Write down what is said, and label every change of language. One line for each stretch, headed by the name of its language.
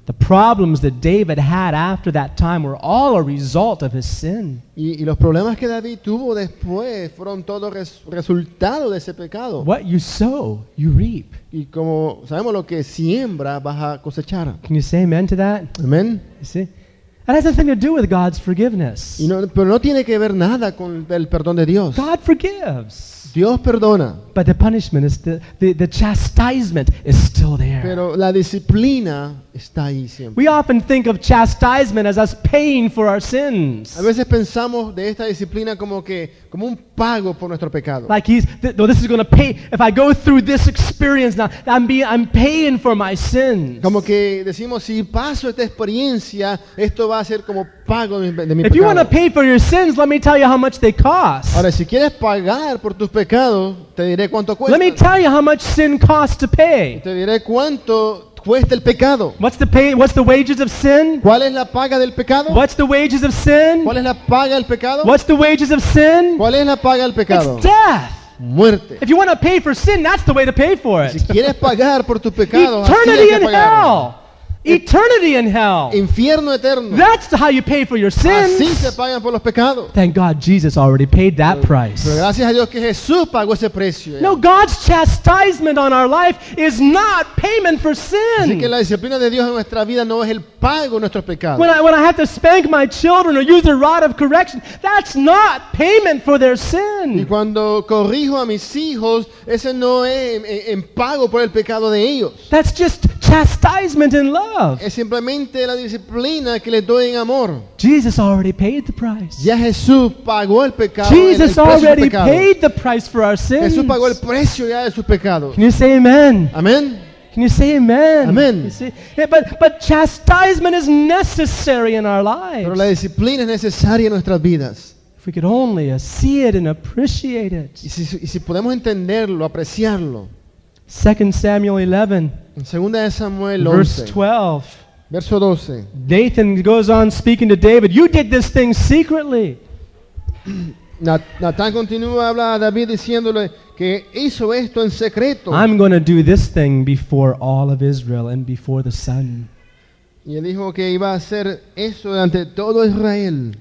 English: The problems that David had after that time were all a result of his sin.
Spanish: Y los problemas que David tuvo después fueron todo resultado de ese pecado.
English: What you sow, you reap.
Spanish: Y como sabemos lo que siembra, vas a cosechar.
English: Can you say amen to that? Amen. You see? That has nothing to do with God's forgiveness. You know,
Spanish: pero no tiene que ver nada con el perdón de Dios.
English: God forgives.
Spanish: Dios perdona.
English: But the punishment is the chastisement is still there.
Spanish: Pero la disciplina está ahí siempre.
English: We often think of chastisement as us paying for our sins.
Spanish: A veces pensamos de esta disciplina como que como un pago por nuestro pecado.
English: Like he's, this is going to pay if I go through this experience now. I'm paying for my sins.
Spanish: Como que decimos si paso esta experiencia, esto va a ser como pago de mi pecado.
English: If you want to pay for your sins, let me tell you how much they cost.
Spanish: Ahora si quieres pagar por tus pecados, te diré cuánto cuesta.
English: Let me tell you how much sin costs to pay.
Spanish: Te diré cuánto cuesta el pecado.
English: What's the pay? What's the wages of sin?
Spanish: ¿Cuál es la paga del pecado?
English: What's the wages of sin?
Spanish: ¿Cuál es la paga del pecado?
English: What's the wages of sin?
Spanish: ¿Cuál es la paga del pecado?
English: It's death.
Spanish: Muerte.
English: If you want to pay for sin, that's the way to pay for it.
Spanish: Si quieres pagar por tu pecado,
English: eternity
Spanish: así
English: in hell. Eternity in hell.
Spanish: Infierno eterno.
English: That's how you pay for your sins.
Spanish: Así se pagan por los pecados.
English: Thank God Jesus already paid that price.
Spanish: Pero gracias a Dios que Jesús pagó ese precio.
English: No, God's chastisement on our life is not payment for sin.
Spanish: Así que la disciplina de Dios en nuestra vida no es el pago de nuestros pecados.
English: When I have to spank my children or use a rod of correction, that's not payment for their sin.
Spanish: Y cuando corrijo a mis hijos, ese no es en pago por el pecado de ellos.
English: That's just chastisement in love.
Spanish: Es simplemente la disciplina que le doy en amor.
English: Jesus already paid the price.
Spanish: Ya Jesús pagó el pecado.
English: Jesus already paid the price for our sins.
Spanish: Jesús pagó el precio ya de sus pecados.
English: Can you say amen? Amen. Can you say amen? Amen. You see? Yeah, but chastisement is necessary in our lives.
Spanish: Pero la disciplina es necesaria en nuestras vidas.
English: If we could only see it and appreciate it.
Spanish: Y si podemos entenderlo, apreciarlo.
English: 2 Samuel 11.
Spanish: Segunda de Samuel 11,
English: verse 12. Nathan goes on speaking to David. You did this thing secretly.
Spanish: Nathan continúa hablando a David diciéndole que hizo esto en secreto.
English: I'm going to do this thing before all of Israel and before the sun.
Spanish: Y él dijo que iba a hacer eso ante todo Israel.